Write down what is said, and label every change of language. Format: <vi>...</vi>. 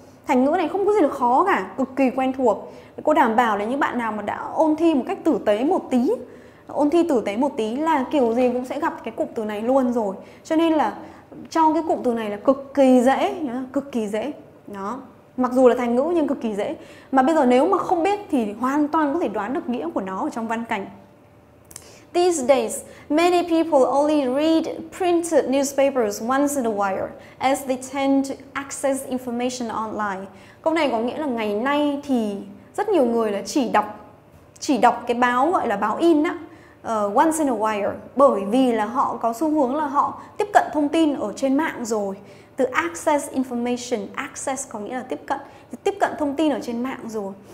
<vi>Thành ngữ này không có gì là khó cả, cực kỳ quen thuộc. Cô đảm bảo là những bạn nào mà đã ôn thi một cách tử tế một tí, ôn thi tử tế một tí là kiểu gì cũng sẽ gặp cái cụm từ này luôn rồi. Cho nên là cho cái cụm từ này là cực kỳ dễ, nhớ, cực kỳ dễ. Đó. Mặc dù là thành ngữ nhưng cực kỳ dễ. Mà bây giờ nếu mà không biết thì hoàn toàn có thể đoán được nghĩa của nó ở trong văn cảnh.</vi> <en>These days, many people only read printed newspapers once in a while as they tend to access information online.</en> <vi>Câu này có nghĩa là ngày nay thì rất nhiều người là chỉ đọc cái báo gọi là báo in á,</vi> <en>once in a while,</en> <vi>bởi vì là họ có xu hướng là họ tiếp cận thông tin ở trên mạng rồi. Từ</vi> <en>access information,</en> <vi>access có nghĩa là tiếp cận, thì tiếp cận thông tin ở trên mạng rồi.</vi>